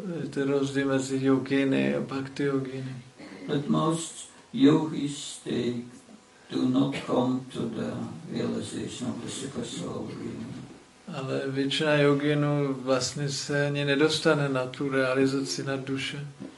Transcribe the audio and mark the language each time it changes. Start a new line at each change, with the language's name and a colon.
Czech: Ten rozdíl mezi yogini a bhakti yogini.
English: But most yogis, they do not come to the realization of the supersoul being.
Czech: Ale většina joginů vlastně se ani nedostane na tu realizaci na duše.